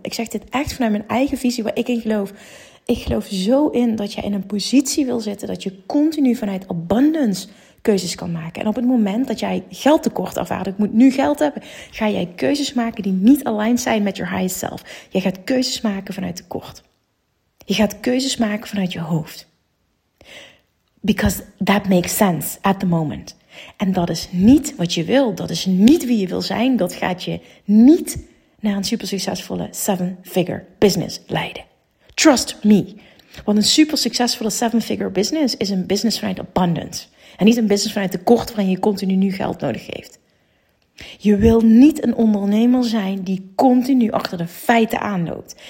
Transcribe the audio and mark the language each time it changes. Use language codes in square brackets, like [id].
[nl] Ik zeg dit echt vanuit mijn eigen visie waar ik in geloof. Ik geloof zo in dat je in een positie wil zitten dat je continu vanuit abundance keuzes kan maken. En op het moment dat jij geldtekort ervaart, ik moet nu geld hebben, ga jij keuzes maken die niet aligned zijn met [en] your highest self. [nl] Je gaat keuzes maken vanuit tekort. Je gaat keuzes maken vanuit je hoofd. [en] Because that makes sense at the moment. [nl] En dat is niet wat je wil. Dat is niet wie je wil zijn. Dat gaat je niet naar een super succesvolle 7-figure business leiden. [en] Trust me. [nl] Want een super succesvolle 7-figure business is een business vanuit abundance. En niet een business vanuit tekort waarin je continu nu geld nodig heeft. Je wil niet een ondernemer zijn die continu achter de feiten aanloopt.